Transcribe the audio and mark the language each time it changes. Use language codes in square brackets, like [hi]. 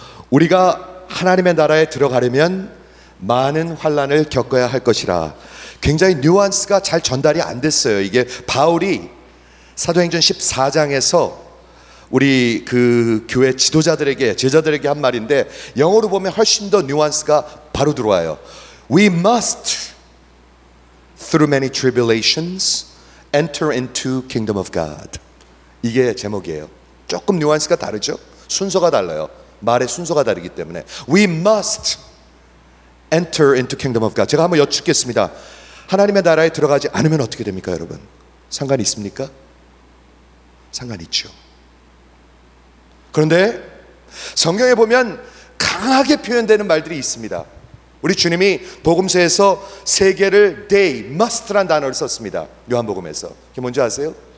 [ko] 우리가 하나님의 나라에 들어가려면 많은 환난을 겪어야 할 것이라. 굉장히 뉘앙스가 잘 전달이 안 됐어요. 이게 바울이 사도행전 14장에서 우리 그 교회 지도자들에게 제자들에게 한 말인데 영어로 보면 훨씬 더 뉘앙스가 바로 들어와요. [en] We must, through many tribulations, enter into kingdom of God. [ko] 이게 제목이에요. 조금 뉘앙스가 다르죠? 순서가 달라요. 말의 순서가 다르기 때문에. [en] We must enter into kingdom of God. [ko] 제가 한번 여쭙겠습니다. 하나님의 나라에 들어가지 않으면 어떻게 됩니까, 여러분? 상관 있습니까? 상관 있죠. 그런데 성경에 보면 강하게 표현되는 말들이 있습니다. 우리 주님이 복음서에서 세 개를 day, must라는 단어를 썼습니다. 요한복음에서. 그게 뭔지 아세요?